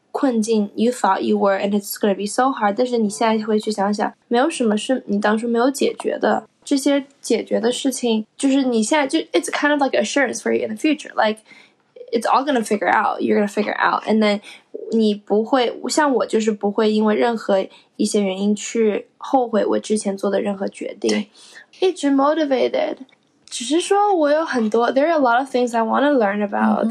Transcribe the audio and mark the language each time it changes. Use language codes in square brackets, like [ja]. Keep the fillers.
[zh] 困境， [en] you thought you were and it's gonna be so hard。 [zh] 但是你现在回去想想，没有什么是你当初没有解决的。这些解决的事情，就是你现在就 [en] it's kind of like assurance for you in the future。 Like it's all gonna figure out. You're gonna figure out. And then [zh] 你不会像我，就是不会因为任何一些原因去后悔我之前做的任何决定。一直 motivated。只是说我有很多， [en] there are a lot of things I want to learn about，there、mm hmm.